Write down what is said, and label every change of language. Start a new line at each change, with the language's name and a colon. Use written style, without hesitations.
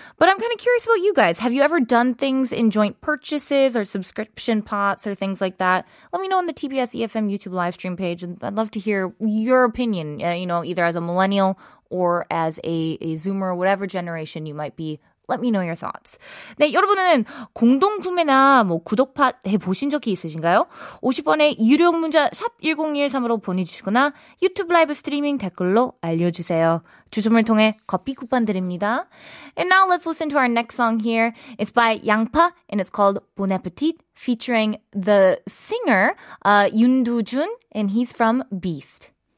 English: But I'm kind of curious about you guys. Have you ever done things in joint purchases or subscription pots or things like that? Let me know on the TBS EFM YouTube live stream page, and I'd love to hear your opinion, you know, either as a millennial or as a Zoomer, whatever generation you might be. Let me know your thoughts.
Korean: 네, 여러분은 공동구매나 뭐 구독팟 해보신 적이 있으신가요? 50원의 유료 문자 샵 1013으로 보내주시거나 유튜브 라이브 스트리밍 댓글로 알려주세요. 주점을 통해 커피 쿠폰 드립니다.
English: And now let's listen to our next song here. It's by 양파 and it's called Bon Appetit, featuring the singer 윤두준, and he's from Beast.